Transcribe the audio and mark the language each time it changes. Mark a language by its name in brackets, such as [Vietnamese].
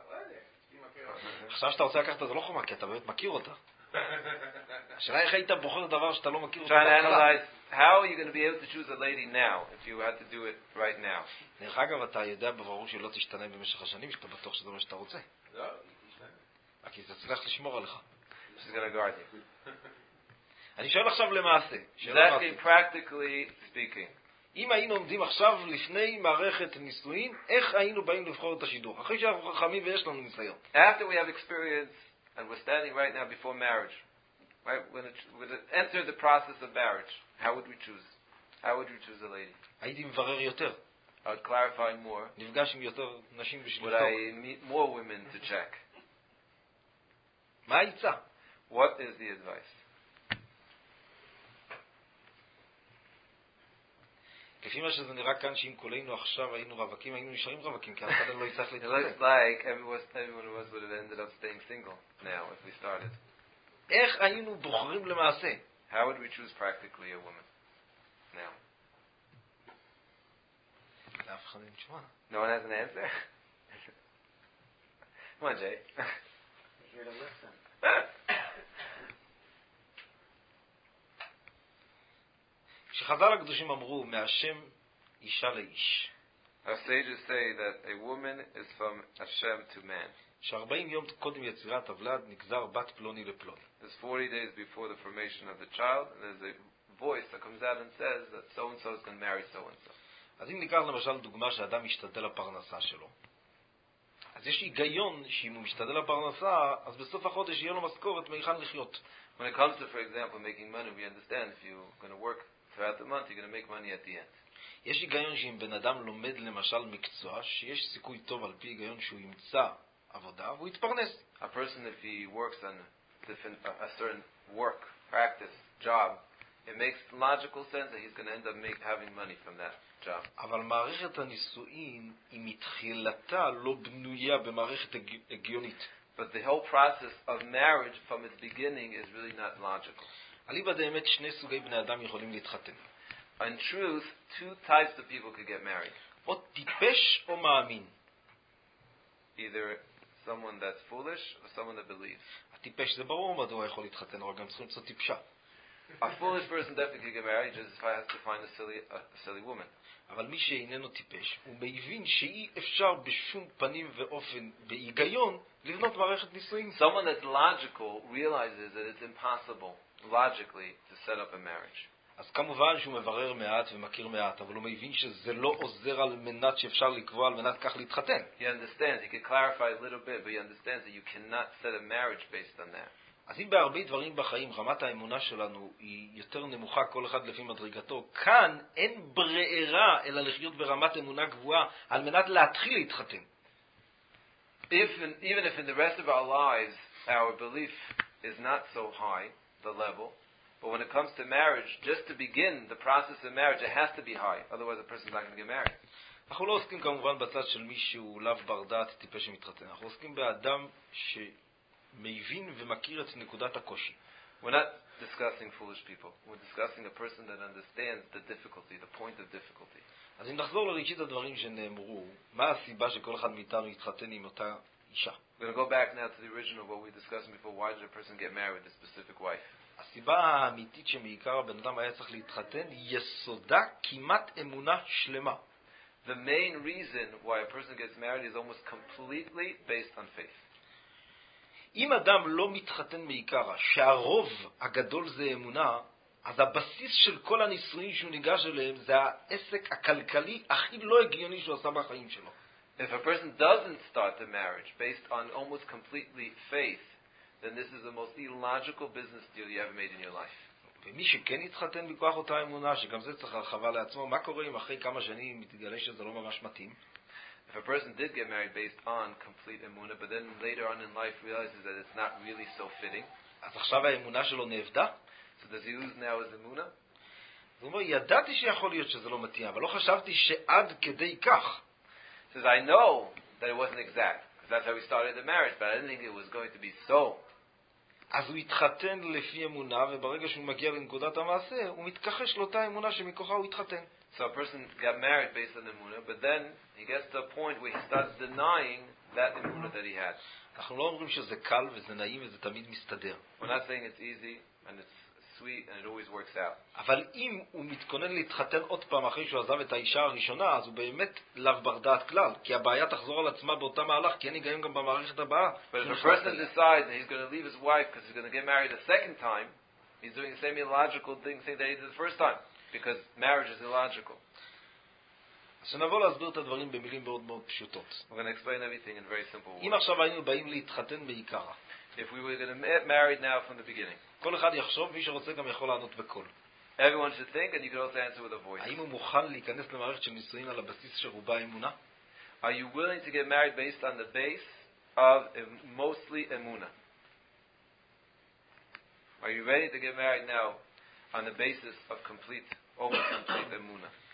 [Hebrew] לא, זאת אומרת, אני כן הייתי רוצה לקחת אשתי, אבל לא יודע, עכשיו שאתה רוצה לקחת, זה לא חומה, כי אתה באמת מכיר אותה. השאלה איך היית בוחר דבר שאתה לא מכיר אותה. [English] How are you going to be able to choose a lady now if you had to do it right now? [Hebrew] דרך אגב, אתה יודע בברור שלא תשתנה במשך השנים, שאתה בטוח שזה מה שאתה רוצה. לא, כי זה צריך לשמור עליך. [English] She's going to guard you. [Hebrew] אני שואל עכשיו למעשה. [English] Exactly, practically speaking. [Hebrew] אם היינו עומדים עכשיו לפני מערכת נישואין, איך היינו באים לבחור את השידור? אחרי שאנחנו חכמים ויש לנו ניסיון. [English] After we have experience and we're standing right now before marriage, right, when enter the process of marriage, how would we choose? How would we choose a lady? [Hebrew] הייתי מברר יותר. [English] I would clarify more. [Hebrew] נפגש עם יותר נשים בשביל לבדוק. [English] Would I meet more women to check? [Hebrew] מה העצה? [English] What is the advice? [Hebrew] כפי מה שזה נראה כאן, שאם כולנו עכשיו היינו רווקים, היינו נשארים רווקים, כי אף אחד לא יצטרך להתחתן. [English] It looks like everyone was would have ended up staying single now if we started. [Hebrew] איך היינו בוחרים למעשה? [English] How would we choose practically a woman? Now. [Hebrew] לאף אחד אין תשובה. [English] No one has an answer. Come on, Jay. You're here to listen. [Hebrew] שחזל הקדושים אמרו, מהשם אישה לאיש. [English] Our sages say that a woman is from Hashem to man. [Hebrew] ש-40 יום קודם יצירת הוולד נגזר בת פלוני לפלוני. [English] There's 40 days before the formation of the child, and there's a voice that comes out and says that so-and-so is going to marry so-and-so. [Hebrew] אז אם ניקח למשל דוגמה שאדם משתדל לפרנסה שלו, אז יש היגיון שאם הוא משתדל לפרנסה, אז בסוף החודש יהיה לו מזכורת מהיכן לחיות. [English] When it comes to, for example, making money, we understand if you're going to work throughout the month, you're going to make money at the end. [Hebrew] יש היגיון שאם בן אדם לומד למשל מקצוע, שיש סיכוי טוב על פי היגיון שהוא ימצא עבודה, והוא יתפרנס. [English] A person, if he works on a certain work, practice, job, it makes logical sense that he's going to end up having money from that job. [Hebrew] אבל מערכת הנישואין היא מתחילתה לא בנויה במערכת הגיונית. [English] But the whole process of marriage from its beginning is really not logical. [Hebrew] אליבא דאמת שני סוגי בני אדם יכולים להתחתן. [English] In truth, two types of people could get married. [Hebrew] או טיפש או מאמין. [English] Either someone that's foolish or someone that believes. [Hebrew] הטיפש זה ברור מדוע יכול להתחתן, אבל גם צריכים למצוא טיפשה. [English] A foolish person definitely could get married just if I have to find a silly woman. [Hebrew] אבל מי שאיננו טיפש, הוא מבין שאי אפשר בשום פנים ואופן, בהיגיון, לבנות מערכת נישואים. [English] Someone that's logical realizes that it's impossible, logically, to set up a marriage. [Hebrew] אז כמובן שהוא מברר מעט ומכיר מעט, אבל הוא מבין שזה לא עוזר על מנת שאפשר לקבוע על מנת כך להתחתן. [English] He understands, he could clarify a little bit, but he understands that you cannot set a marriage based on that. [Hebrew] אז אם בהרבה דברים בחיים רמת האמונה שלנו היא יותר נמוכה כל אחד לפי מדרגתו, כאן אין ברירה אלא לחיות ברמת אמונה גבוהה על מנת להתחיל להתחתן. [English] Even if in the rest of our lives our belief is not so high, the level, but when it comes to marriage, just to begin the process of marriage, it has to be high, otherwise a person's not going to get married. [Hebrew] אנחנו לא עוסקים כמובן בצד של מישהו לאו בר דעת טיפש שמתחתן, אנחנו עוסקים באדם ש... מבין ומכיר את נקודת הקושי. [English] We're not discussing foolish people. We're discussing a person that understands the difficulty, the point of difficulty. [Hebrew] אז אם נחזור לראשית הדברים שנאמרו, מה הסיבה שכל אחד מאיתנו התחתן עם אותה אישה? [English] We're going to go back now to the original, what we discussed before. Why did a person get married with a specific wife? [Hebrew] הסיבה האמיתית שמעיקר הבן אדם היה צריך להתחתן, יסודה כמעט אמונה שלמה. [English] The main reason why a person gets married is almost completely based on faith. [Hebrew] אם אדם לא מתחתן מעיקרה, שהרוב הגדול זה אמונה, אז הבסיס של כל הנישואים שהוא ניגש אליהם זה העסק הכלכלי הכי לא הגיוני שהוא עשה בחיים שלו. [English] If a person doesn't start the marriage based on almost completely faith, then this is the most illogical business deal you ever made in your life. [Hebrew] ומי שכן התחתן בכוח אותה אמונה, שגם זה צריך הרחבה לעצמו, מה קורה אם אחרי כמה שנים מתגלה שזה לא ממש מתאים? [English] If a person did get married based on complete emunah, but then later on in life realizes that it's not really so fitting, [Hebrew] אז עכשיו האמונה שלו נאבדה? [English] So does he lose now his emunah? [Hebrew] הוא אומר, ידעתי שיכול להיות שזה לא מתאים, אבל לא חשבתי שעד כדי כך. [English] He says, I know that it wasn't exact, because that's how we started the marriage, but I didn't think it was going to be so. [Hebrew] אז הוא התחתן לפי אמונה, וברגע שהוא מגיע לנקודת המעשה, הוא מתכחש לאותה אמונה שמכוחה הוא התחתן. [English] So a person got married based on emunah, but then he gets to a point where he starts denying that emunah that he had. [Hebrew] אנחנו לא אומרים שזה קל וזה נעים וזה תמיד מסתדר. [English] We're not saying it's easy and it's sweet and it always works out. [Hebrew] אבל אם הוא מתכונן להתחתן עוד פעם אחרי שהוא עזב את האישה הראשונה, אז הוא באמת לאו בר דעת כלל, כי הבעיה תחזור על עצמה באותה מהלך, כי אני גאים גם במערכת הבאה. [English] But if a person decides that he's going to leave his wife because he's going to get married a second time, he's doing the same illogical thing that he did the first time. Because marriage is illogical. [Hebrew] אז נבוא להסביר את הדברים במילים מאוד מאוד פשוטות. [English] We're going to explain everything in very simple words. [Hebrew] אם עכשיו היינו באים להתחתן בעיקרה. [English] If we were going to get married now from the beginning. [Hebrew] כל אחד יחשוב, מי שרוצה גם יכול לענות בקול. [English] Everyone should think and you can also answer with a voice. [Hebrew] האם הוא מוכן להיכנס למערכת של נישואים על הבסיס שרובה אמונה? [English] Are you willing to get married based on the base of mostly emunah? Are you ready to get married now on the basis of complete, almost complete emunah?